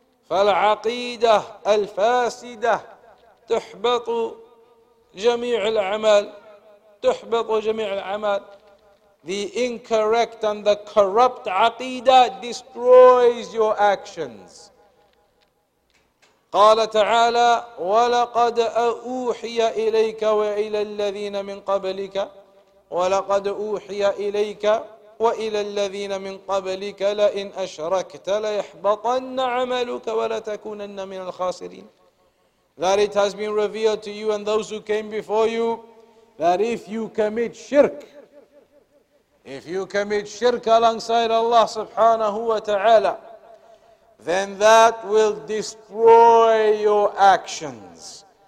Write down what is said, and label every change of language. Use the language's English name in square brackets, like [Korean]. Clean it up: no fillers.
[Arabic] فَالْعَقِيدَةُ الْفَاسِدَةُ تُحْبَطُ جَمِيعُ الْعَمَلِ. تُحْبَطُ جَمِيعُ الْعَمَلِ. [English] The incorrect and the corrupt aqidah destroys your actions. [Arabic] قال تعالى ولقد أوحي إليك وإلى الذين من قبلك ولقد أوحي إليك وإلى الذين من قبلك لئن أشركت ليحبطن عملك ولتكونن من الخاسرين. [English] That it has been revealed to you and those who came before you that if you commit shirk, if you commit shirk alongside Allah subhanahu wa ta'ala, then that will destroy your actions.